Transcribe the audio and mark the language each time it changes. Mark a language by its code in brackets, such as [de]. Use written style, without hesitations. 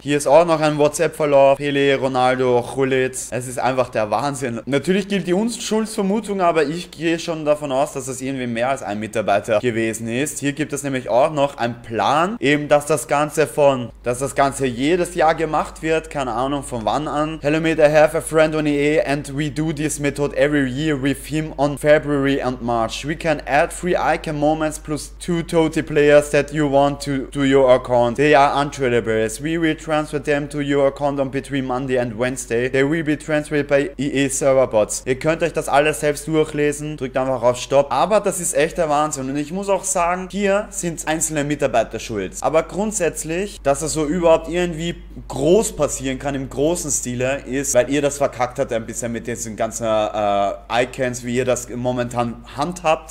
[de] Hier ist auch noch ein WhatsApp-Verlauf, Pele, Ronaldo, Hullet. Es ist einfach der Wahnsinn. Natürlich gilt die Unschuldsvermutung, aber ich gehe schon davon aus, dass das irgendwie mehr als ein Mitarbeiter gewesen ist. Hier gibt es nämlich auch noch einen Plan, eben dass das Ganze jedes Jahr gemacht wird, keine Ahnung von wann an. [en] Hello mate, I have a friend on EA and we do this method every year with him on February and March. We can add 3 Icon Moments plus 2 Toti players that you want to do your account. They are untradables. We will transfer them to your account on between Monday and Wednesday. They will be transferred by EA Server Bots. [de] Ihr könnt euch das alles selbst durchlesen. Drückt einfach auf Stopp. Aber das ist echt der Wahnsinn. Und ich muss auch sagen, hier sind einzelne Mitarbeiter schuld. Aber grundsätzlich, dass das so überhaupt irgendwie groß passieren kann im großen Stile, ist, weil ihr das verkackt habt ein bisschen mit diesen ganzen Icons, wie ihr das momentan handhabt.